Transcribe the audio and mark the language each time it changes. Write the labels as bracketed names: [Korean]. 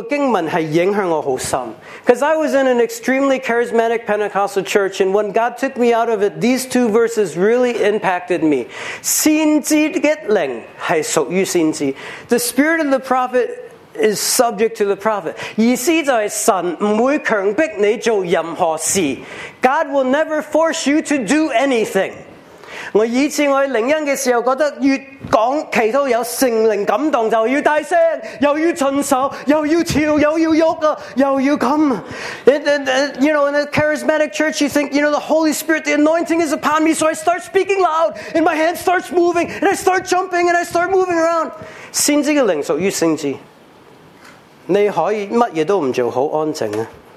[Chinese] 因为我是一个非常灵恩的教会背景出来，但是当我出来的时候，这个经文是影响我很深。Because [English] I was in an extremely charismatic Pentecostal church, and when God took me out of it, these two verses really impacted me. [Chinese] 先知的灵是属于先知. [English] The spirit of the prophet is subject to the prophet. [Chinese] 意思就是神不会强迫你做任何事. [English] God will never force you to do anything. [Chinese] 我以前我灵恩的时候觉得越讲祈祷有圣灵感动就要大声又要遵守又要跳又要动又要这样 [English] you know, in a charismatic church you think, you know, the Holy Spirit, the anointing is upon me, so I start speaking loud and my hand starts moving and I start jumping and I start moving around. [Chinese] 先知的灵属于先知. 你可以什么都不做好安静啊.